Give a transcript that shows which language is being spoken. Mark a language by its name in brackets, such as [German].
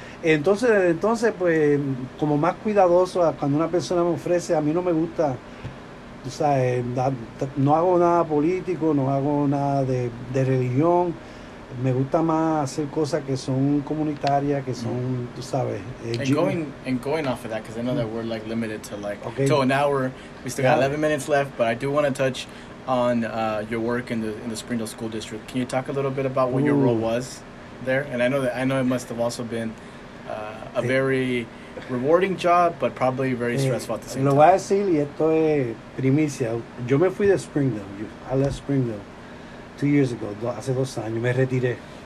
[Spanish] Entonces, pues, como más cuidadoso, cuando una persona me ofrece, a mí no me gusta, tú sabes, no hago nada político, no hago nada de religión. Me gusta más hacer cosas que son comunitarias, que son, tú sabes. [English] And going off of that, because I know that we're like limited to like, okay, to an hour. We still got 11 minutes left, but I do want to touch on your work in the Springdale School District. Can you talk a little bit about what your role was there? And I know it must have also been very rewarding job, but probably very stressful at the same time. [Spanish] Lo voy a decir, y esto es primicia. Yo me fui de Springdale. [English] I left Springdale 2 years ago, [Spanish] hace 2 años, me retiré.